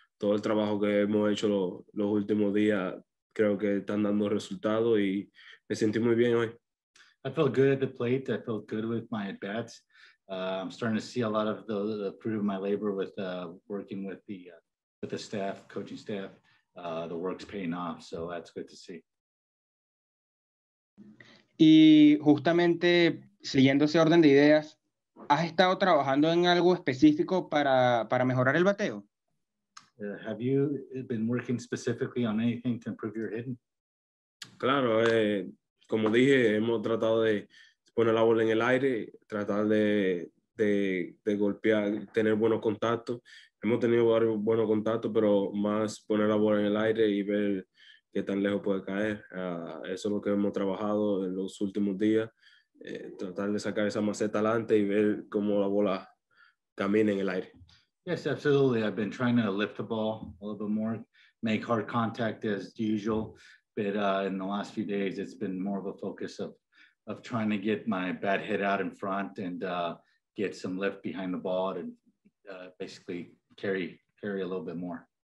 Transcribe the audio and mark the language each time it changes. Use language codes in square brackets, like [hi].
[es] Todo el trabajo que hemos hecho los últimos días creo que están dando resultados y me sentí muy bien hoy. [en] I felt good at the plate. I felt good with my at bats. I'm starting to see a lot of the fruit of my labor with working with the staff, coaching staff. The work's paying off, so that's good to see. [es] Y justamente siguiendo ese orden de ideas, ¿has estado trabajando en algo específico para mejorar el bateo? [en] Have you been working specifically on anything to improve your hitting? [es] Claro, como dije, hemos tratado de poner la bola en el aire, tratar de golpear, tener buenos contactos. Hemos tenido varios buenos contactos, pero más poner la bola en el aire y ver qué tan lejos puede caer. Eso es lo que hemos trabajado en los últimos días, tratar de sacar esa maceta adelante y ver cómo la bola camina en el aire. [en] Yes, absolutely. I've been trying to lift the ball a little bit more, make hard contact as usual, but in the last few days, it's been more of a focus of trying to get my bat head out in front and get some lift behind the ball and basically carry a little bit more.